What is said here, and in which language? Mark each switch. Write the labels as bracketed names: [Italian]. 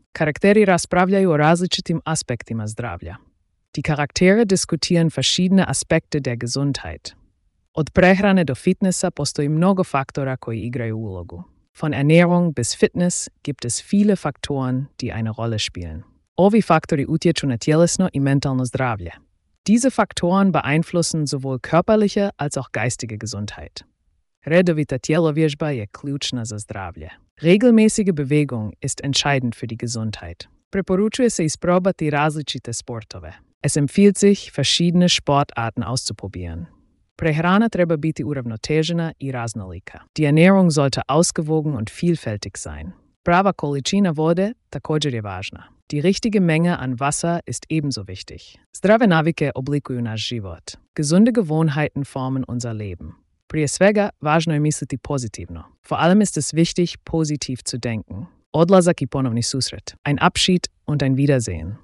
[Croatian] Charakteri raspravljaju o različitim aspektima zdravlja. [German] Die Charaktere diskutieren verschiedene Aspekte der Gesundheit. [Croatian] Od prehrane do fitnessa postoji mnogo faktora koji igraju ulogu. [German] Von Ernährung bis Fitness gibt es viele Faktoren, die eine Rolle spielen. [Croatian] Ovi faktori utječu na tjelesno i mentalno zdravlje. [German] Diese Faktoren beeinflussen sowohl körperliche als auch geistige Gesundheit. [Croatian] Redovita tjelovježba je ključna za zdravlje. [German] Regelmäßige Bewegung ist entscheidend für die Gesundheit. [Croatian] Preporučuje se isprobati različite sportove. [German] Es empfiehlt sich, verschiedene Sportarten auszuprobieren. [Croatian] Prehrana treba biti uravnotežena i raznolika. [German] Die Ernährung sollte ausgewogen und vielfältig sein. [Croatian] Prava količina vode također je važna. [German] Die richtige Menge an Wasser ist ebenso wichtig. [Croatian] Zdrave navike oblikuju naš život. [German] Gesunde Gewohnheiten formen unser Leben. [Croatian] Prije svega, važno je misliti pozitivno. [German] Vor allem ist es wichtig, positiv zu denken. [Croatian] odlazak i ponovni susret, [German] ein Abschied und ein Wiedersehen.